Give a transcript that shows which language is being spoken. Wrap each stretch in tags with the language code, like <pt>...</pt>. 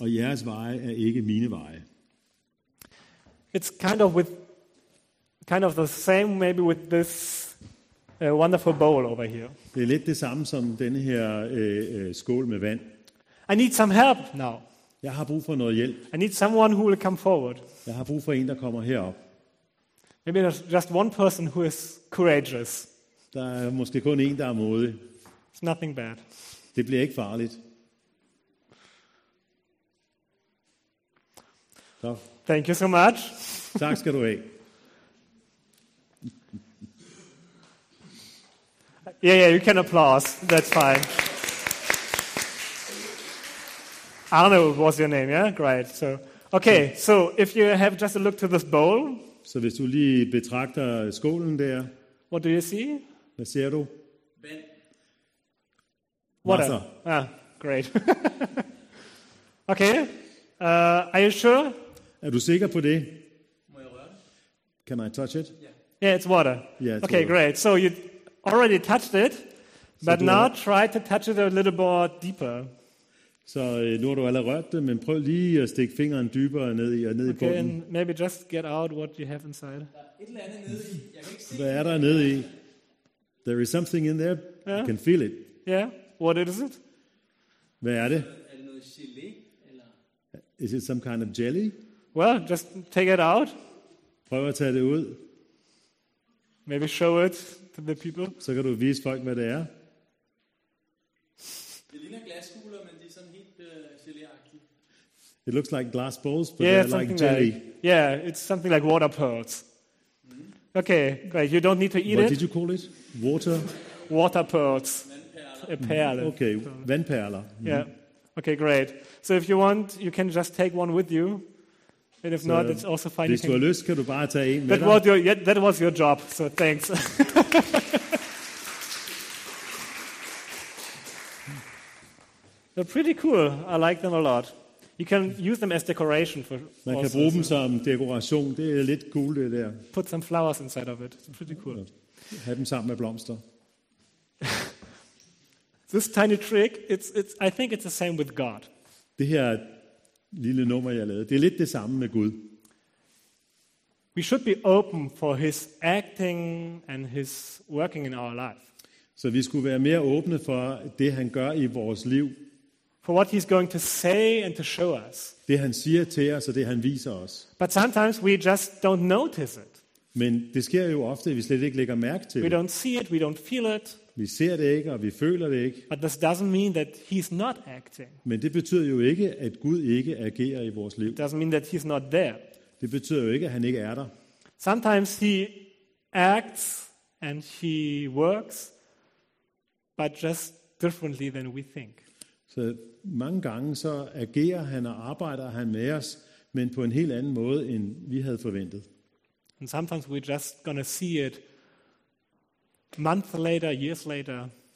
<da>Og jeres veje er ikke mine veje.</da> <en>It's kind of the same maybe with this wonderful bowl over here.</en> <da>Det er lidt det samme som denne her skål med vand.</da> <en>I need some help now.</en> <da>Jeg har brug for noget hjælp.</da> <en>I need someone who will come forward.</en> <da>Jeg har brug for en, der kommer herop.</da> <en>Maybe there's just one person who is courageous.</en> <da>Der er måske kun en, der er modig.</da> <en>It's nothing bad.</en> <da>Det bliver ikke farligt.</da> <en>Så. Thank you so much.</en> <da>Tak skal du have.</da> <en>Yeah, you can applause. That's fine. Arno was your name, yeah? Great. So, okay. So, if you have just a look to this bowl.</en> <da>Så hvis du lige betragter skålen der.</da> <en>What do you see?</en> <da>Hvad ser du?</da> <en>Vand. Water. Ah, great. Okay. Are you sure?</en> <da>Er du sikker på det? Må jeg røre det?</da> <en>Can I touch it? Yeah. Yeah, it's water. Yeah. It's okay, water. Great. So you already touched it, but so now try to touch it a little more deeper.</en> <da>Så nu har du allerede rørt det, men prøv lige at stikke fingeren dybere ned i og ned</da> <en>okay,</en> <da>i bunden.</da> <en>Okay, maybe just get out what you have inside.</en> <da>Der er et eller andet nede i. Jeg kan ikke se. Hvad er der nede i?</da> <en>There is something in there. Yeah. I can feel it. Yeah. What is it?</en> <da>Hvad er det? Er det noget gelé eller?</da> <en>Is it some kind of jelly? Well, just take it out.</en> <da>Prøv at tage det ud.</da> <en>Maybe show it to the people.</en> <da>Så kan du vise folk, hvad det er. Det ligner glaskugler, men de er sådan helt gelé-agtige.</da> <en>It looks like glass balls, but yeah, they're like jelly. Like, yeah, it's something like water pearls. Mm-hmm. Okay, great. You don't need to eat what it. What did you call it? Water? Water pearls.</en> <da>Vandperler. Mm-hmm. Okay, vandperler.</da> <en>Mm-hmm. Yeah. Okay, great. So if you want, you can just take one with you. And if so, not, it's also fine.</en> <da>Hvis du har lyst, kan du bare tage en med dig.</da> <en>That was your, yeah, that was your job, so thanks. They're pretty cool. I like them a lot. You can use them as decoration for.</en> <da>Man</da> <en>also,</en> <da>kan bruge dem som dekoration. Det er lidt cool, det der.</da> <en>Put some flowers inside of it. It's pretty cool.</en> <da>Have dem sammen med blomster.</da> <en>This tiny trick, it's. I think it's the same with God.</en> <da>Det her lille nummer, jeg lavede. Det er lidt det samme med Gud.</da> <en>We should be open for his acting and his working in our life.</en> <da>Så vi skulle være mere åbne for det, han gør i vores liv.</da> <en>For what he's going to say and to show us.</en> <da>Det, han siger til os, og det, han viser os.</da> <en>But sometimes we just don't notice it.</en> <da>Men det sker jo ofte, at vi slet ikke lægger mærke til det.</da> <en>We don't see it, we don't feel it.</en> <da>Vi ser det ikke, og vi føler det ikke.</da> <en>But this doesn't mean that he's not acting.</en> <da>Men det betyder jo ikke, at Gud ikke agerer i vores liv.</da> <en>It doesn't mean that he's not there.</en> <da>Det betyder jo ikke, at han ikke er der.</da> <en>Sometimes he acts and he works, but just differently than we think.</en> <da>Så mange gange så agerer han og arbejder han med os, men på en helt anden måde, end vi havde forventet.</da> <en>And sometimes we're just gonna see it. Months later, years later.</en>